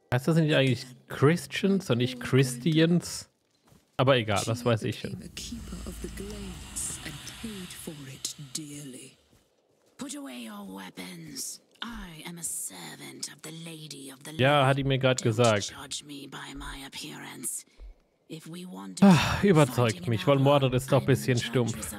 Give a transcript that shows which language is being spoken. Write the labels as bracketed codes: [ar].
[de] Heißt das nicht eigentlich Christians und nicht Christians? Aber egal, das weiß ich schon. [en] A keeper of the glades and paid for it dearly. Put away your weapons. I am a servant of the Lady of the Lake. [de] Ja, hat die mir gerade gesagt. [en] Judge me by my appearance. If we want to [de] überzeugt mich, weil Mordred ist doch ein bisschen stumpf.